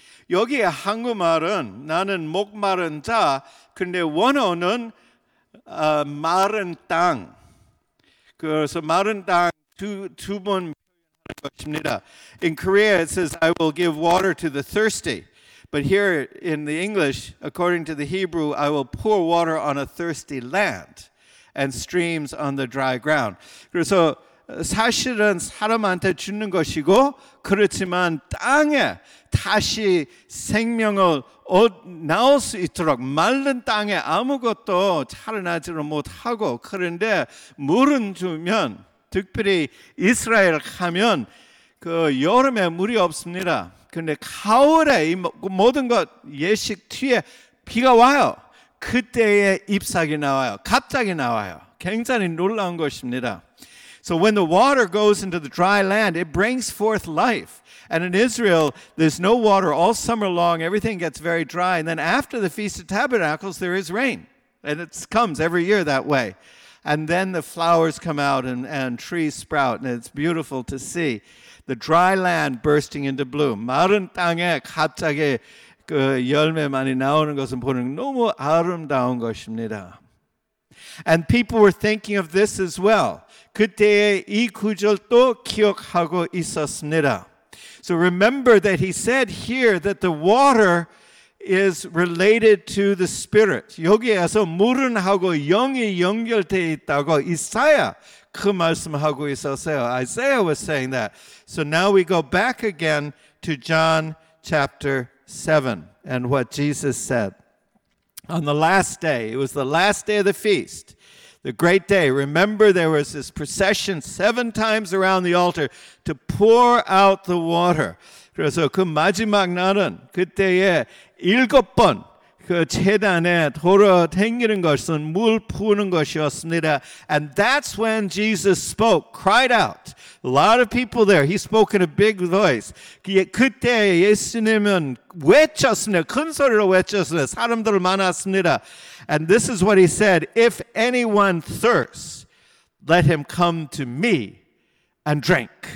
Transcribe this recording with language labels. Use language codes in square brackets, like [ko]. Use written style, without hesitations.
[ko] 여기 한국말은 나는 목마른 자, 근데 원어는 마른 땅. 그래서 마른 땅 두 번 표현하는 것입니다. [en] In Korea it says I will give water to the thirsty. But here in the English, according to the Hebrew, I will pour water on a thirsty land and streams on the dry ground. [ko] 그래서 사실은 사람한테 주는 것이고 그렇지만 땅에 다시 생명을 나올 수 있도록 마른 땅에 아무것도 자라나지를 못하고 그런데 물은 주면 특별히 이스라엘 가면 그 여름에 물이 없습니다. 근데 가을에 이 모든 것 예식 뒤에 비가 와요. 그때에 잎사귀 나와요. 갑자기 나와요. 굉장히 놀라운 것입니다. [en] So when the water goes into the dry land, it brings forth life. And in Israel, there's no water all summer long. Everything gets very dry. And then after the Feast of Tabernacles, there is rain. And it comes every year that way. And then the flowers come out and trees sprout. And it's beautiful to see the dry land bursting into bloom. [ko] 마른 땅에 갑자기 그 열매 많이 나오는 것은 보는 너무 아름다운 것입니다. [en] And people were thinking of this as well. [ko] 그때의 이 구절도 기억하고 있었습니다. [en] So remember that he said here that the water is related to the spirit. [ko] 여기에서 물은 하고 영이 연결되어 있다고 이사야 그 말씀하고 있었어요. [en] Isaiah was saying that. So now we go back again to John chapter 7 and what Jesus said. On the last day, it was the last day of the feast. The great day. Remember, there was this procession seven times around the altar to pour out the water. [ko] 그래서 그 마지막 날은 그때에 일곱 번 그 제단에 돌을 당기는 것은 물 부는 것이었습니다. [en] And that's when Jesus spoke, cried out. A lot of people there. He spoke in a big voice. [ko] 그때 예수님은 외쳤습니다. 큰 소리로 외쳤습니다. 사람들 많았습니다. [en] And this is what he said. If anyone thirsts, let him come to me and drink.